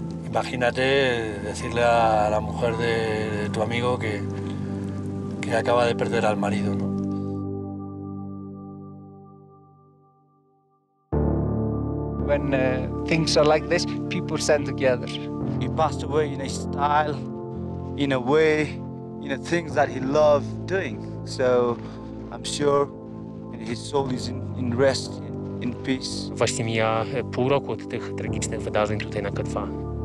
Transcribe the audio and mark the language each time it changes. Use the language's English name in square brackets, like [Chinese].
[Spanish] Imagínate decirle a la mujer de tu amigo que acaba de perder al marido, ¿no? [English] When things are like this, people stand together. He passed away in a style, in a way, in the things that he loved doing. So I'm sure his soul is in rest, in peace. [Polish] Właśnie mija pół roku od tych tragicznych wydarzeń tutaj na K2.